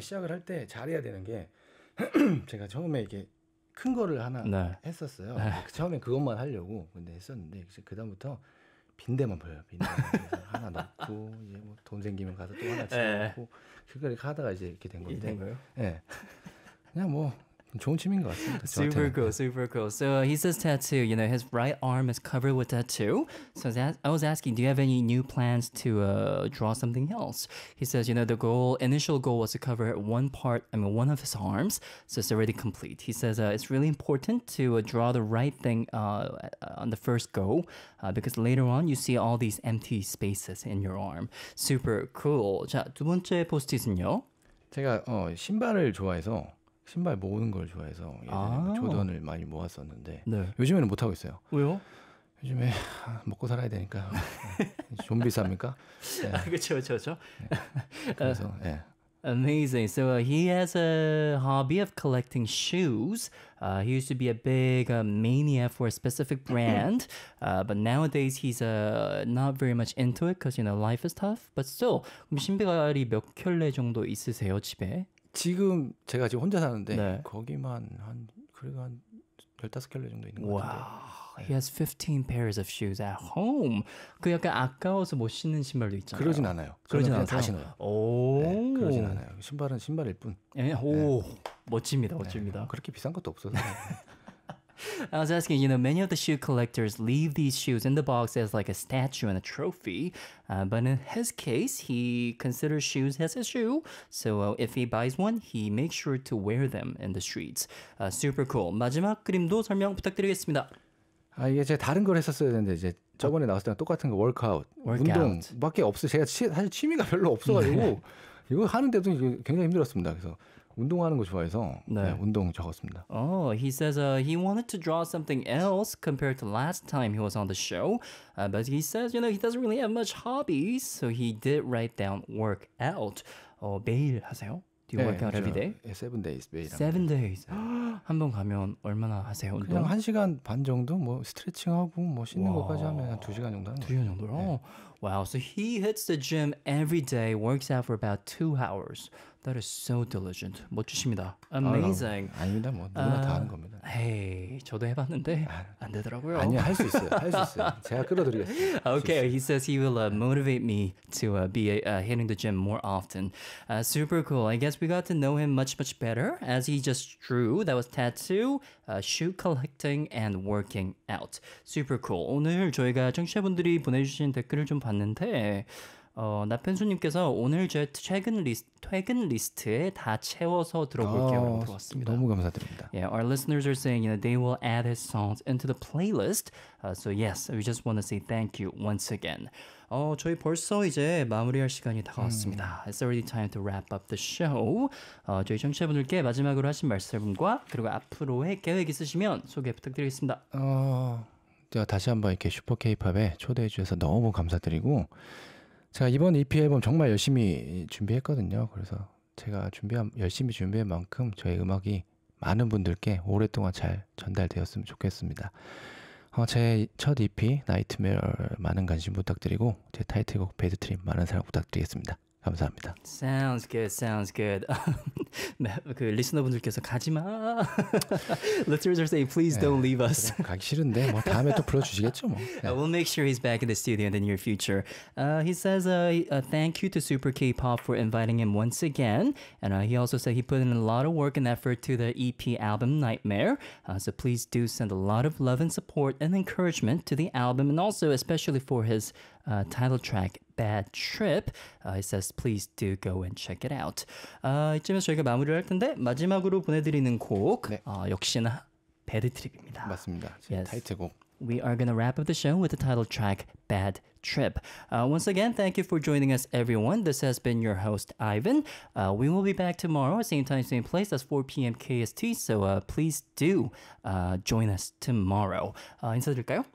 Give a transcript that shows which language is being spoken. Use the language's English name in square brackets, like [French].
[Korean] 시작을 할 때 잘해야 되는 게 제가 처음에 이게 큰 거를 하나 네. 했었어요. 네. 처음에 그것만 하려고 근데 했었는데 그 다음부터 빈대만 보여요. 빈대만 하나 넣고 이제 뭐 돈 생기면 가서 또 하나 채우고 그걸 하다가 이제 이렇게 된 건데. 된 거예요? 예. 그냥 뭐 좋은 취미인 것 같습니다. [English] Super cool, super cool. So he says tattoo. You know, his right arm is covered with tattoo. So I was asking, do you have any new plans to draw something else? He says, you know, the goal, initial goal was to cover one part, I mean, one of his arms. So it's already complete. He says it's really important to draw the right thing on the first go because later on you see all these empty spaces in your arm. Super cool. [Korean] 자, 두 번째 포스트잇은요? 제가 신발을 좋아해서 신발 모으는 걸 좋아해서 예전에 아~ 조던을 많이 모았었는데 네. 요즘에는 못 하고 있어요. 왜요? 요즘에 먹고 살아야 되니까 좀비 삽니까? 네. 아, 그렇죠, 그렇죠. 네. 그래서 예. 네. [English] Amazing. So he has a hobby of collecting shoes. He used to be a big mania for a specific brand. But nowadays he's not very much into it because you know life is tough. But still, [Korean] 신발이 몇 켤레 정도 있으세요 집에? 지금 제가 지금 혼자 사는데 네. 거기만 한 그래도 한 15켤레 정도 있는 것 같은데. [English] Wow. He has 15 pairs of shoes at home. [Korean] 그 약간 아까워서 못 신는 신발도 있잖아요. 그러진 않아요. 그러진 않아요. 다 신어요. 오. 네, 그러진 않아요. 신발은 신발일 뿐. 예. 네. 오. 멋집니다. 멋집니다. 네, 그렇게 비싼 것도 없어서. [English] I was asking, you know, many of the shoe collectors leave these shoes in the box as like a statue and a trophy. But in his case, he considers shoes as a shoe. So if he buys one, he makes sure to wear them in the streets. Super cool. [Korean] 마지막 그림도 설명 부탁드리겠습니다. 아, 이게 제가 다른 걸 했었어야 했는데 이제 저번에 나왔을 때랑 똑같은 거 워크아웃 운동밖에 없어. 제가 사실 취미가 별로 없어가지고 이거 하는데도 굉장히 힘들었습니다. 그래서. 운동하는 거 좋아해서 네. 네, 운동 적었습니다. [English] Oh, he says he wanted to draw something else compared to last time he was on the show. But he says, you know, he doesn't really have much hobbies, so he did write down workout. [Korean] 매일 하세요? [English] Do you 네, work out 저, every day? [Korean] 네, [English] 7 days [Korean] 매일. [English] 7 days. [Korean] 한번 가면 얼마나 하세요? 운동? 그냥 1시간 반 정도 뭐 스트레칭하고 뭐 씻는 것까지 하면 한 2시간 정도 하는 2시간 정도로? 네. [English] Wow, so he hits the gym every day, works out for about 2 hours. That is so diligent. [Korean] 멋지십니다. [English] Amazing. [Korean] 아, 아닙니다. 뭐 누구나 다 하는 겁니다. 에이, 저도 해봤는데 안 되더라고요. 아니요, 할 수 있어요. 할 수 있어요. 제가 끌어드리겠습니다. [English] Okay, he says he will motivate me to be hitting the gym more often. Super cool. I guess we got to know him much, much better as he just drew. That was tattoo, shoe collecting, and working out. Super cool. [Korean] 오늘 저희가 청취자분들이 보내주신 댓글을 좀 봤는데 나편수님께서 오늘 제 퇴근 리스트에 다 채워서 들어볼게요라고 들었습니다. 너무 감사드립니다. [English] Yeah, our listeners are saying, you know, they will add his songs into the playlist. So yes, we just want to say thank you once again. [Korean] 저희 벌써 이제 마무리할 시간이 다가왔습니다. [English] It's already time to wrap up the show. [Korean] 저희 청취자분들께 마지막으로 하신 말씀과 그리고 앞으로의 계획 있으시면 소개 부탁드리겠습니다. 제가 다시 한번 이렇게 슈퍼 K-POP에 초대해 주셔서 너무 감사드리고 제가 이번 EP 앨범 정말 열심히 준비했거든요. 그래서 제가 열심히 준비한 만큼 저의 음악이 많은 분들께 오랫동안 잘 전달되었으면 좋겠습니다. 제 첫 EP, Nightmare, 많은 관심 부탁드리고 제 타이틀곡, Bad Trip, 많은 사랑 부탁드리겠습니다. 감사합니다. [English] Sounds good, sounds good. [Korean] 네, 그 리스너분들께서 가지마. [English] Listeners are saying, please don't leave us. [Korean] 가기 싫은데, 뭐 다음에 또 불러주시겠죠, 뭐. [English] Yeah. We'll make sure he's back in the studio in the near future. He says, thank you to Super K-Pop for inviting him once again. And he also said he put in a lot of work and effort to the EP album, Nightmare. So please do send a lot of love and support and encouragement to the album, and also especially for his title track, Bad Trip. It says, please do go and check it out. [Korean] 이쯤에서 저희가 마무리를 할 텐데 마지막으로 보내드리는 곡 네. 역시나 Bad Trip입니다. 맞습니다. [English] Yes. [Korean] 타이틀곡. [English] We are going to wrap up the show with the title track, Bad Trip. Once again, thank you for joining us, everyone. This has been your host, Ivan. We will be back tomorrow, same time, same place. That's 4 p.m. KST. So please do join us tomorrow. [Korean] 인사드릴까요?